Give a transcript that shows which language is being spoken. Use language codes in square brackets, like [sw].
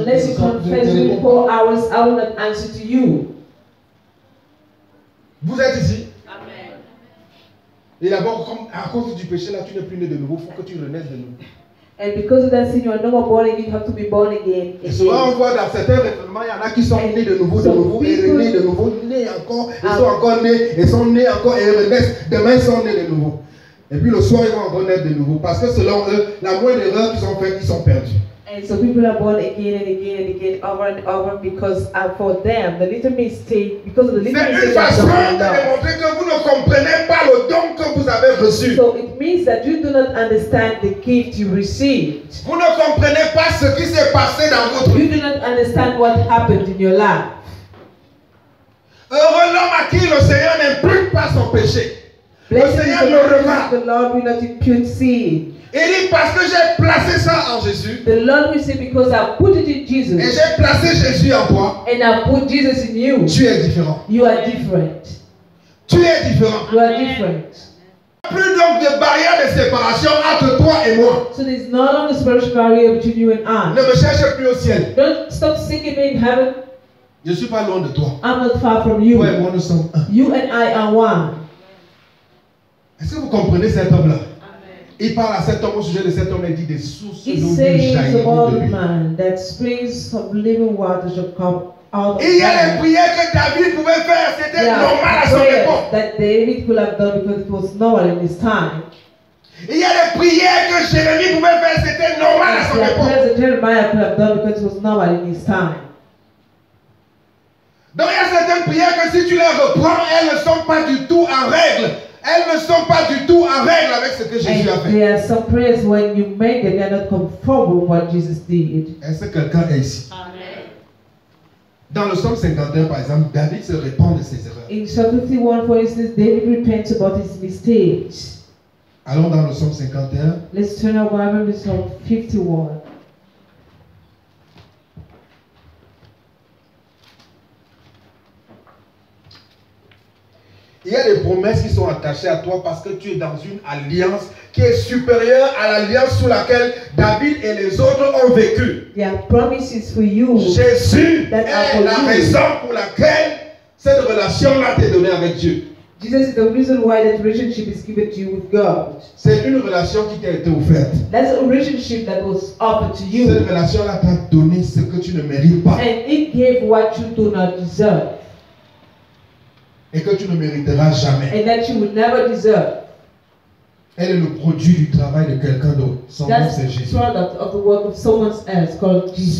[en] Unless you confess within 4 hours, I will not answer to you. [fr] Vous êtes ici. Amen. Et d'abord, comme à cause du péché, là, tu n'es plus né de nouveau. Il faut que tu renaisses de nouveau. [en] And because of that sin, you are no more born again. You have to be born again. [fr] Et souvent, on voit dans certains événements, il y en a qui sont nés de nouveau, ils sont nés encore et renaissent. Demain, ils sont nés de nouveau. Et puis le soir, ils vont renaître de nouveau. Parce que selon eux, la moindre erreur qu'ils ont faite, ils sont perdus. [en] And so people are born again and again and again, over and over, because for them, the little mistake, because of the little mistake that they have done. [fr] Que vous ne comprenez pas le don que vous avez reçu. [en] So it means that you do not understand the gift you received. [fr] Vous ne comprenez pas ce qui s'est passé dans votre vie. [en] You do not understand what happened in your life. [fr] Heureux l'homme à qui le Seigneur n'implique pas son péché. Le Seigneur le remarque. [en] The Lord will not impute sin. [fr] Il dit parce que j'ai placé ça en Jésus. [en] The Lord will say because I put it in Jesus. [fr] Et j'ai placé Jésus en toi. [en] And I put Jesus in you. [fr] Tu es différent. [en] You are different. [fr] Tu es différent. [en] You are different. [fr] Il n'y a plus donc de barrière de séparation entre toi et moi. [en] So there is no longer spiritual barrier between you and I. [fr] Ne me cherche plus au ciel. [en] Don't stop seeking me in heaven. [fr] Je suis pas loin de toi. [en] I'm not far from you. [fr] Toi et moi nous sommes un. [en] You and I are one. [fr] Est-ce que vous comprenez cet homme-là? Il parle à cet homme au sujet de cet homme et dit des sources d'eau vive jaillissent de lui. [en] He says, man, that springs of living water shall come out. [fr] Il y a les prières que David pouvait faire, c'était normal à son époque. [en] That David could have done because it was normal in his time. [fr] Il y a les prières que Jérémie pouvait faire, c'était normal à son époque. [en] That Jeremiah could have done because it was normal in his time. [fr] Donc il y a certaines prières que si tu les reprends, elles ne sont pas du tout en règle. Elles ne sont pas du tout en règle avec ce que Jésus a fait. [en] There are some prayers when you make them, they are not conformable with what Jesus did. [fr] Est-ce que quelqu'un est ici? Amen. Dans le psaume 51, par exemple, David se répand de ses erreurs. [en] In Psalm 51, for instance, David repents about his mistakes. [fr] Allons dans le psaume 51. [en] Let's turn our Bible to Psalm 51. [fr] Il y a des promesses qui sont attachées à toi parce que tu es dans une alliance qui est supérieure à l'alliance sous laquelle David et les autres ont vécu. [en] There are promises for you. [fr] Jésus est la raison pour laquelle cette relation-là t'est donnée avec Dieu. [en] Jesus is the reason why that relationship is given to you with God. [fr] C'est une relation qui t'a été offerte. [en] That's a relationship that was offered to you. [fr] Cette relation-là t'a donné ce que tu ne mérites pas. [en] And it gave what you do not deserve. [fr] Et que tu ne mériteras jamais. [en] And that you would never deserve. [fr] Elle est le produit du travail de quelqu'un d'autre. Son [en] That's [fr] nom c'est Jésus. [en] That's product of the work of someone else called Jesus.